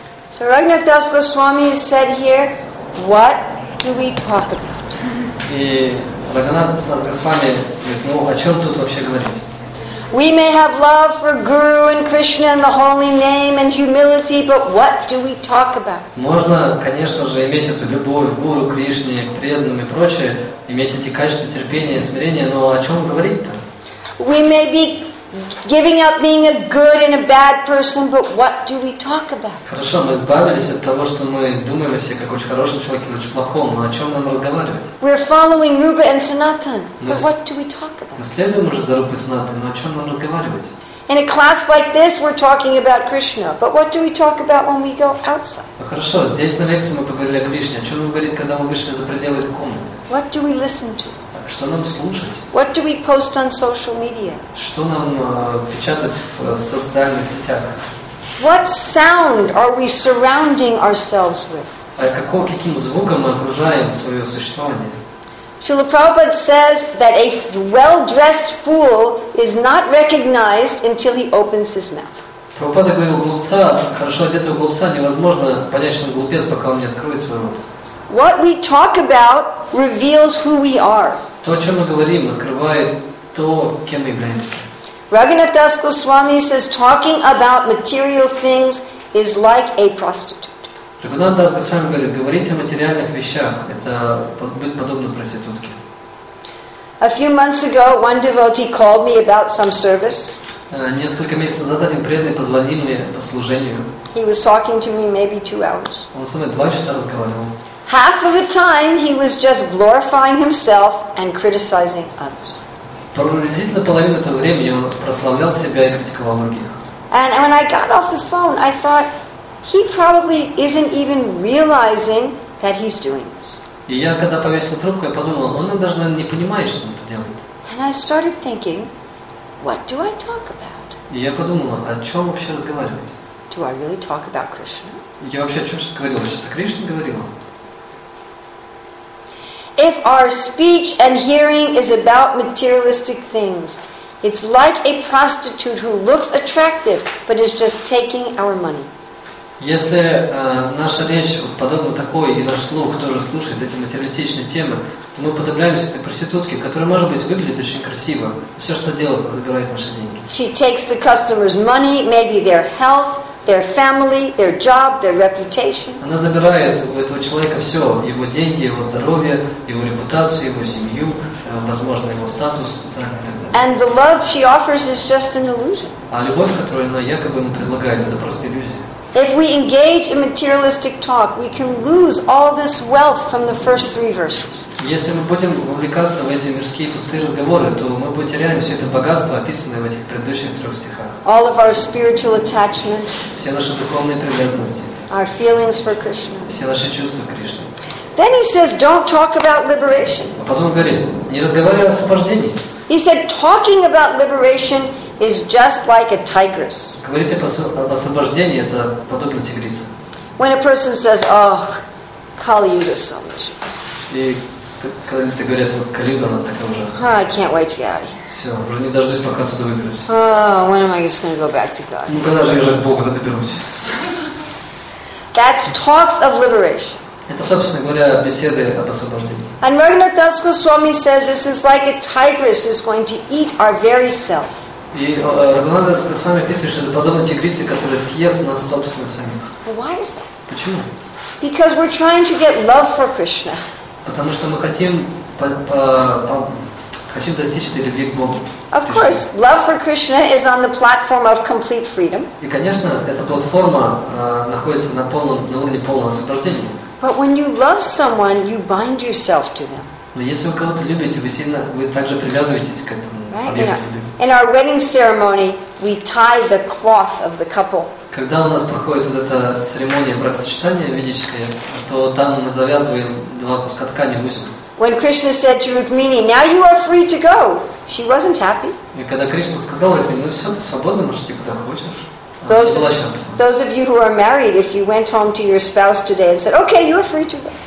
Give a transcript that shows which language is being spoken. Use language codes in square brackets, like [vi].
[en] So Raghunath Das Goswami said here, what do we talk about? [ru] И Раганат Дас Госвами говорит, ну о чем тут вообще говорить? [en] We may have love for Guru and Krishna and the holy name and humility, but what do we talk about? [ru] Можно, конечно же, иметь эту любовь к Гуру, Кришне, к преданным и прочее, иметь эти качества терпения, смирения, но о чем говорить-то? [en] We may be giving up being a good and a bad person, but what do we talk about? [ru] Хорошо, мы избавились от того, что мы думаем о себе как очень хорошем человеке, очень плохом, но о чем нам разговаривать? [en] We're following Rupa and Sanatan, but what do we talk about? [ru] Мы следуем уже за Рупой и Санатаной, но о чем нам разговаривать? [en] In a class like this, we're talking about Krishna, but what do we talk about when we go outside? [ru] Ну хорошо, здесь на лекции мы поговорили о Кришне, о чем мы говорим, когда мы вышли за пределы этой комнаты? [en] What do we listen to? [ru] Что нам слушать? [en] What do we post on social media? [ru] Что нам печатать в социальных сетях? [en] What sound are we surrounding ourselves with? [ru] Каким звуком мы окружаем свое существование? [en] Srila Prabhupada says that a well-dressed fool is not recognized until he opens his mouth. [ru] Прабхупада говорил, глупца, хорошо одетого глупца, невозможно понять, что он глупец, пока он не откроет свой рот. [en] What we talk about reveals who we are. [ru] То, о чем мы говорим, открывает то, кем мы являемся. [en] Raghunath Das Goswami says, talking about material things is like a prostitute. [ru] Raghunath Das Goswami говорит, говорить о материальных вещах, это быть подобно проститутке. [en] A few months ago, one devotee called me about some service. [ru] Несколько месяцев назад один преданный позвонил мне по служению. [en] He was talking to me maybe 2 hours. [ru] Он со мной 2 часа разговаривал. [en] Half of the time he was just glorifying himself and criticizing others. [ru] Приблизительно половину этого времени он прославлял себя и критиковал других. [en] And when I got off the phone, I thought he probably isn't even realizing that he's doing this. [ru] И я когда повесил трубку, я подумал, он даже не понимает, что он это делает. [en] And I started thinking, what do I talk about? [ru] И я подумал, о чем вообще разговаривать? [en] Do I really talk about Krishna? [ru] Я вообще о чем сейчас говорил? Сейчас о Кришне говорил. [en] If our speech and hearing is about materialistic things, it's like a prostitute who looks attractive but is just taking our money. [ru] Если наша речь подобна такой, и наш слух тоже слушает эти материалистичные темы, то мы подобляемся этой проститутке, которая, может быть, выглядит очень красиво. Все, что делает, забирает наши деньги. [en] She takes the customer's money, maybe their health, their family, their job, their reputation. [ru] Она забирает у этого человека все, его деньги, его здоровье, его репутацию, его семью, возможно, его статус социальный и так далее. [en] And the love she offers is just an illusion. [ru] А любовь, которую она якобы ему предлагает, это просто иллюзия. [en] If we engage in materialistic talk, we can lose all this wealth from the first three verses. [ru] Если мы будем вовлекаться в эти мирские пустые разговоры, то мы потеряем все это богатство, описанное в этих предыдущих трех стихах. [en] All of our spiritual attachment. [ru] Все наши духовные привязанности. [en] Our feelings for Krishna. [ru] Все наши чувства к Кришне. [en] Then he says, "Don't talk about liberation." [ru] А потом говорит, не разговаривай о освобождении. [en] He said, "Talking about liberation." Is just like a tigress. [ru] Говорите об освобождении, это подобно тигрице. [en] When a person says, "Oh, Kali Yuga is so much." [ru] И когда люди говорят, вот Кали Юга, она такая ужасная. [en] Oh, I can't wait to get out of here. [ru] Все, уже не дождусь, пока сюда выберусь. [en] Oh, when am I just going to go back to God? [ru] Ну когда же я уже к Богу доберусь? [en] That's talks of liberation. [ru] Это, собственно говоря, беседы об освобождении. [en] And Raghunath Das Goswami says this is like a tigress who's going to eat our very self. [ru] И Рагунанда с вами описывает, что это подобно тигрице, которая съест нас собственных самих. [en] Why is that? [ru] Почему? [en] Because we're trying to get love for Krishna. [ru] Потому что мы хотим хотим достичь этой любви к Богу. [en] Of course, love for Krishna is on the platform of complete freedom. [ru] И, конечно, эта платформа находится на полном, на уровне полного освобождения. [en] But when you love someone, you bind yourself to them. [ru] Но если вы кого-то любите, вы сильно, вы также привязываетесь к этому. [en] In our wedding ceremony, we tie the cloth of the couple. [ru] Когда у нас проходит вот эта церемония бракосочетания ведическая, то там мы завязываем два куска ткани в узел. [en] When Krishna said to Rukmini, "Now you are free to go," she wasn't happy. [ru] И когда Кришна сказал Рукмини, ну все, ты свободна, можешь идти куда хочешь. [en] Those of you who are married, if you went home to your spouse today and said, "Okay, you are free to go,"